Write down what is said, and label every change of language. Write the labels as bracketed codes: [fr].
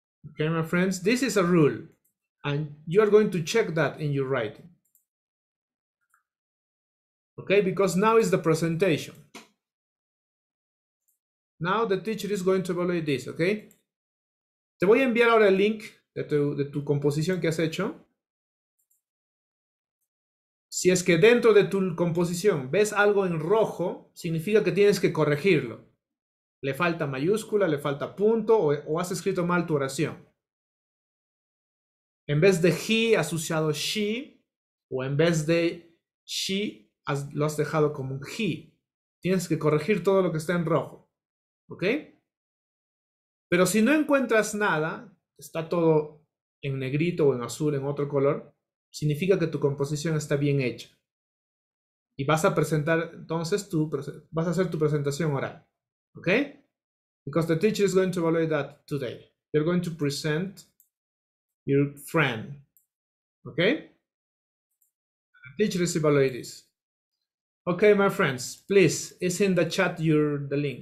[en] Okay, my friends, this is a rule. And you're going to check that in your writing. Okay, because now is the presentation. Now the teacher is going to evaluate this, okay? [es] Te voy a enviar ahora el link de tu composición que has hecho. Si es que dentro de tu composición ves algo en rojo, significa que tienes que corregirlo. Le falta mayúscula, le falta punto, o has escrito mal tu oración. En vez de he, has usado she, o en vez de she, lo has dejado como un he. Tienes que corregir todo lo que está en rojo, ¿ok? Pero si no encuentras nada, está todo en negrito o en azul, en otro color, significa que tu composición está bien hecha. Y vas a presentar, entonces tú, vas a hacer tu presentación oral. ¿Ok? [en] Because the teacher is going to evaluate that today. You're going to present your friend. ¿Ok? The teacher is evaluating this. Ok, my friends, please, it's in the chat the link.